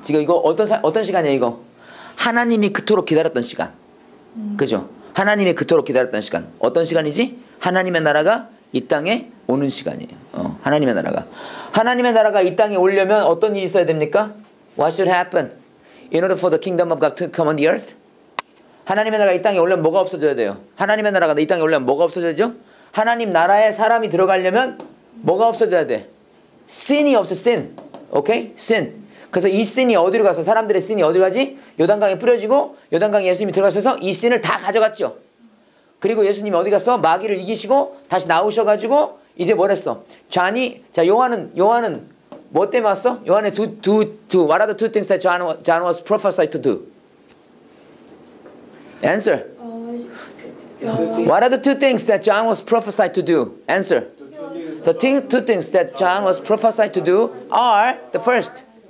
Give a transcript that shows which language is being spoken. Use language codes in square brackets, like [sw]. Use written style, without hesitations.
[ko] 지금 이거 어떤 시간이야, 이거? 하나님이 그토록 기다렸던 시간. 그죠? 하나님이 그토록 기다렸던 시간. 어떤 시간이지? 하나님의 나라가 이 땅에 오는 시간이에요. 하나님의 나라가. 하나님의 나라가 이 땅에 오려면 어떤 일이 있어야 됩니까? [en] What should happen? In order for the kingdom of God to come on the earth? [ko] 하나님의 나라가 이 땅에 오려면 뭐가 없어져야 돼요? 하나님의 나라가 이 땅에 오려면 뭐가 없어져야 되죠? 하나님 나라에 사람이 들어가려면 뭐가 없어져야 돼? Sin이 없어. Sin. Okay? Sin. 그래서 이 sin이 어디로 가서 사람들의 sin이 어디로 가지? 요단강에 뿌려지고 요단강에 예수님이 들어가셔서 이 sin을 다 가져갔죠. 그리고 예수님이 어디 가서 마귀를 이기시고 다시 나오셔가지고 이제 뭘 했어? 존이, 자 요한은 뭐 때문에 왔어? 요한의 [en] What are the two things that John was prophesied to do? Answer. What are the two things that John was prophesied to do? Answer. The two things that John was prophesied to do are the first.